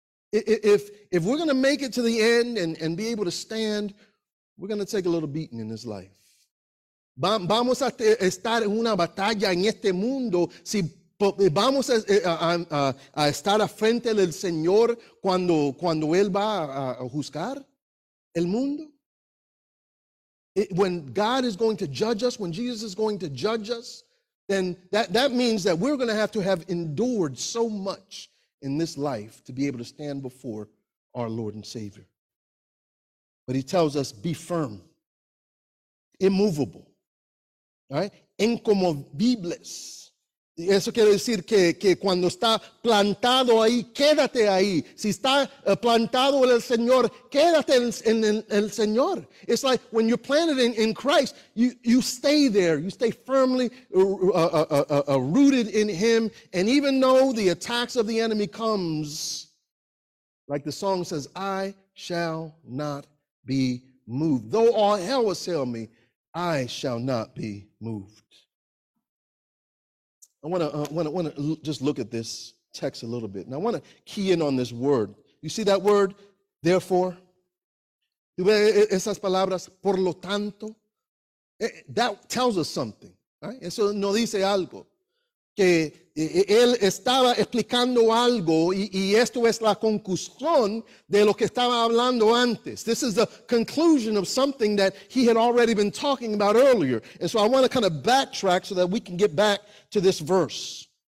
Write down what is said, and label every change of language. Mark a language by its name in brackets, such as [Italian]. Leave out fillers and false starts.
[English] If we're going to make it to the end and be able to stand, we're going to take a little beating in this life. [Spanish] Vamos a estar en una batalla en este mundo. Si vamos a estar a frente del Señor cuando Él va a juzgar el mundo. [English] When God is going to judge us, when Jesus is going to judge us, then that means that we're going to have endured so much in this life to be able to stand before our Lord and Savior. But he tells us, be firm, immovable, all right? [Spanish] Incomovibles. Eso quiere decir que cuando está plantado ahí, quédate ahí. Si está plantado en el Señor, quédate en el Señor. [English] It's like when you're planted in Christ, you stay there. You stay firmly rooted in him. And even though the attacks of the enemy comes, like the song says, I shall not be moved. Though all hell assail me, I shall not be moved. I want to just look at this text a little bit. And I want to key in on this word. You see that word, therefore? [Spanish] ¿Tú ves esas palabras, por lo tanto? [English] That tells us something, right? [Spanish] Eso no dice algo. Que él estaba explicando algo y esto es la conclusión de lo que estaba hablando antes. [English] This is the conclusion of something that he had already been talking about earlier. And so I want to kind of backtrack so that we can get back to this verse.